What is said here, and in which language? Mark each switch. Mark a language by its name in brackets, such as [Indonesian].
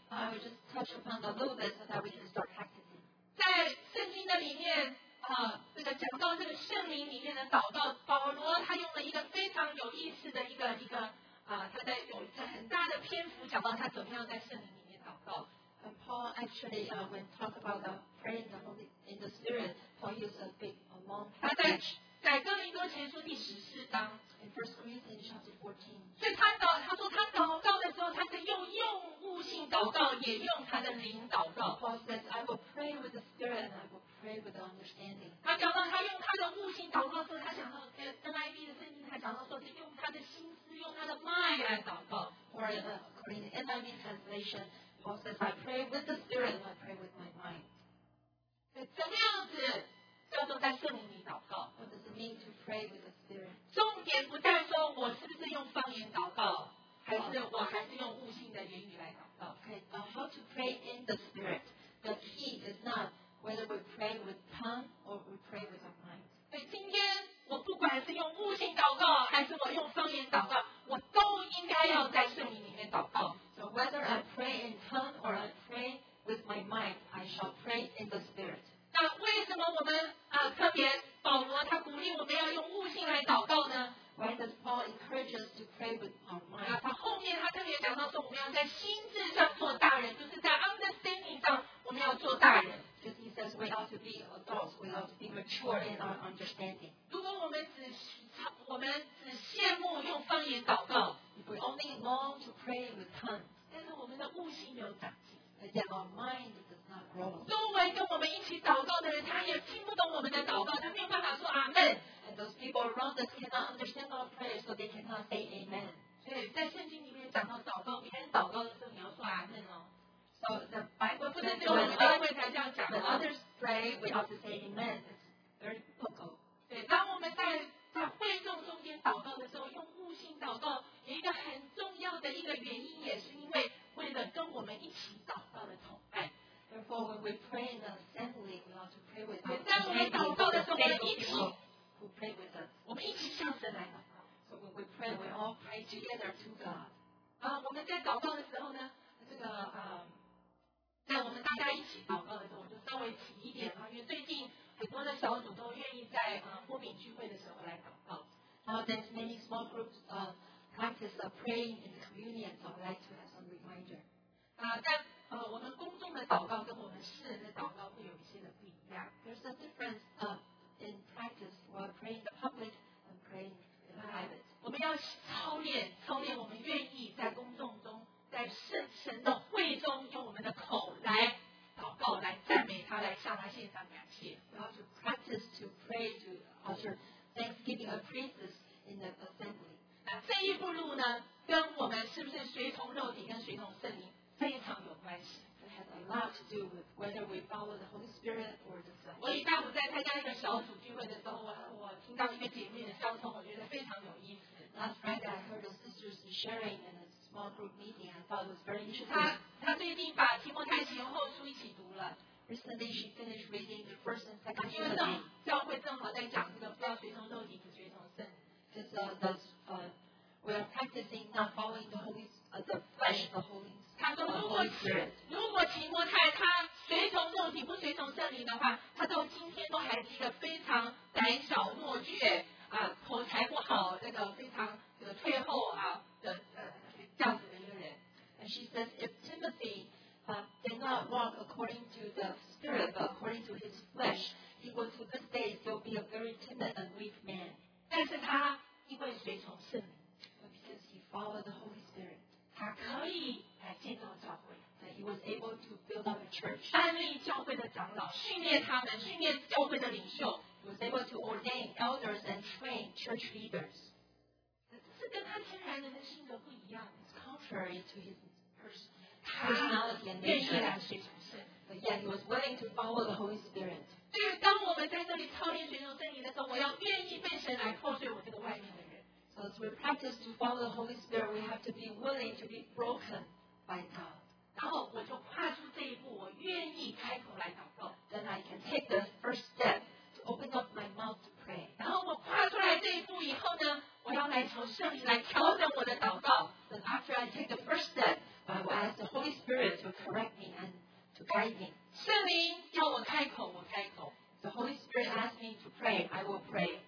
[English] I will just touch upon a little bit so that we can start practicing. [Chinese] 在圣经的里面，这个讲到这个圣灵里面的祷告，保罗他用了一个非常有意思的一个他在有一个很大的篇幅讲到他怎么样在圣灵里面祷告。 [English] And Paul actually, when talk about the prayer in the Holy in the Spirit, Paul used a long passage. [Chinese] 在哥林多前书第十四章 [English] ，In First Corinthians chapter 14. [Chinese] 所以他说他祷告的时候，他是用用悟性祷告，也用他的灵祷告。 [English] Paul says, I will pray with the Spirit and I will pray with the understanding. [Chinese] 他讲到他用他的悟性祷告的时候，他想到NIV 的圣经，他讲到说是用他的心思，用他的 mind 来祷告。 [English] Or according to NIV translation. Paul says, I pray with the Spirit and I pray with my mind. [Chinese] 怎么样子叫做在圣灵里祷告？ [English] What does it mean to pray with the Spirit? [Chinese] 重点不在说我是不是用方言祷告，还是我还是用悟性的言语来祷告。 [English] Okay, how to pray in the Spirit. The key is not whether we pray with tongue or we pray with our mind. [Chinese] 今天我不管是用悟性祷告还是我用方言祷告，我都应该要在圣灵里面祷告。 [English] So whether I pray in tongue or I pray with my mind, I shall pray in the Spirit. [Chinese] 那为什么我们特别保罗他鼓励我们要用悟性来祷告呢？ [English] Why does Paul encourage us to pray with our mind? [Chinese] 他后面他特别讲到说我们要在心智上做大人，就是在 understanding 上我们要做大人。 [English] Because he says we ought to be adults, we ought to be mature in our understanding. [Chinese] 如果我们只羡慕用方言祷告， [English] if we only long to pray with tongues, [Chinese] 但是我们的悟性没有长进， [English] but yet our mind does not grow. [Chinese] 周围跟我们一起祷告的人，他也听不懂我们的祷告，他没有办法说阿门。 [English] And those people around us cannot understand our prayer, so they cannot say amen. [Chinese] 所以在圣经里面讲到祷告，别人祷告的时候你要说阿门哦。 [English] So the Bible [Chinese] says, 不是只有我们教会才这样讲。 [English] When others pray, we ought to say amen. It's very biblical. [Chinese] 对，当我们在会众中间祷告的时候，用悟性祷告，有一个很重要的一个原因，也是因为为了跟我们一起祷告的同伴。 [English] Therefore, when we pray in the assembly, we ought to pray with others. [Chinese] 当我们祷告的时候，我们一起 [English] who pray with us. [Chinese] 我们一起向神来祷告。 [English] So when we pray, we all pray together to God. [Chinese] 我们在祷告的时候呢？在我们大家一起祷告的时候，我就稍微提一点，因为最近很多的小组都愿意在波饼聚会的时候来祷告。 [English] Now that many small groups practice praying in the communion, so I'd like to have some reminder. [Chinese] 我们公众的祷告跟我们私人的祷告会有一些的不一样。 [English] There's a difference in practice while praying the public and praying in private. [Chinese] 我们要面，操练我们愿意在公众中，在圣神的会中，用我们的口来祷告，来赞美他，来向他献上感谢。 [English] We have to practice to pray to usher thanksgiving of praises in the assembly. [Chinese] 那这一步路呢，跟我们是不是随从肉体跟随从圣灵非常有关系。 [English] It has a lot to do with whether we follow the Holy Spirit or the flesh. [Chinese] 我礼拜五在参加一个小组聚会的时候，我听到一个姐妹的交通，我觉得非常有意思。 [English] Last Friday, I heard a sister's sharing in a small group meeting. I thought it was very interesting. [Chinese] 她最近把提摩太前后书一起读了。 [English] Recently, she finished reading the first and second. [Chinese] 因为正教会正好在讲这个不要随从肉体，不随从圣。 [English] Because we are practicing not following the Holy the flesh, the Holy Spirit. [Chinese] 他说如果提摩太他随从肉体不随从圣灵的话，他到今天都还是一个非常胆小懦怯啊，口才不好，这个非常这个退后啊的这样子的一个人。 [English] And she says if Timothy did not walk according to the spirit but according to his flesh, he would to this day still be a very timid and weak man. [Chinese] 但是他因为随从圣灵 [English] but because he followed the Holy Spirit, [Chinese] 他可以来建造教会。 [English] That he was able to build up a church. [Chinese] 安立教会的长老，训练他们，训练教会的领袖。 [English] He was able to ordain elders and train church leaders. [Chinese] 这跟他天然人的性格不一样。 [English] It's contrary to his personality and nature. But yet he was willing to follow the Holy Spirit. [Chinese] 就是当我们在这里操练学习真理的时候，我要愿意被神来破碎我这个外面的人。 [English] So as we practice to follow the Holy Spirit, we have to be willing to be broken by God. [Chinese] 然后我就跨出这一步，我愿意开口来祷告。 [English] Then I can take the first step to open up my mouth to pray. [Chinese] 然后我跨出来这一步以后呢，我要来求圣灵来调整我的祷告。 [English] Then after I take the first step, I will ask the Holy Spirit to correct me and to guide me. [Chinese] 圣灵叫我开口，我开口。 [English] The Holy Spirit asks me to pray, I will pray.